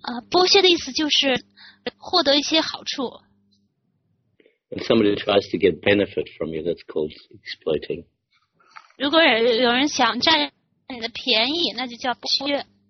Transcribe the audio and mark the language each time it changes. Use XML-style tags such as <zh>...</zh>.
<zh>剥削的意思就是获得一些好处。</zh> <en>When somebody tries to get benefit from you, that's called exploiting.</en> <zh>如果有人想占你的便宜，那就叫剥削。</zh>